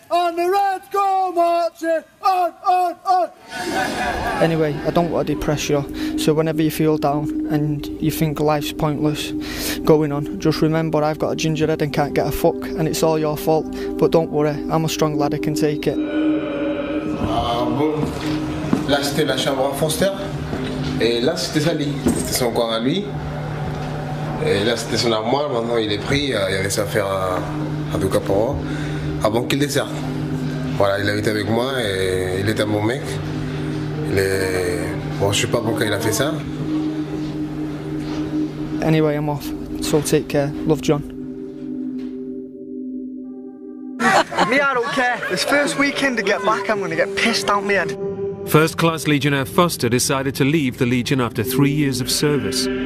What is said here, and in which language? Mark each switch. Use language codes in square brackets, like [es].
[en] On the red go marching! On! Anyway, I don't want to depress you, so whenever you feel down and you think life's pointless going on, just remember I've got a ginger head and can't get a fuck, and it's all your fault, but don't worry, I'm a strong lad, I can take it. [fr] Là c'était la chambre à Foster et là c'était sa lit, c'était son corps à lui et là c'était son armoire, maintenant il est pris, il avait sa affaire à Ducaporo avant qu'il desserte. Voilà, il habite avec moi et il est un bon mec. Bon, je sais pas pourquoi il a fait ça. [en] Anyway, I'm off, so take care, love John. Me, I don't care, this first weekend to get back I'm gonna get pissed out my head. First Class Legionnaire Foster decided to leave the Legion after 3 years of service.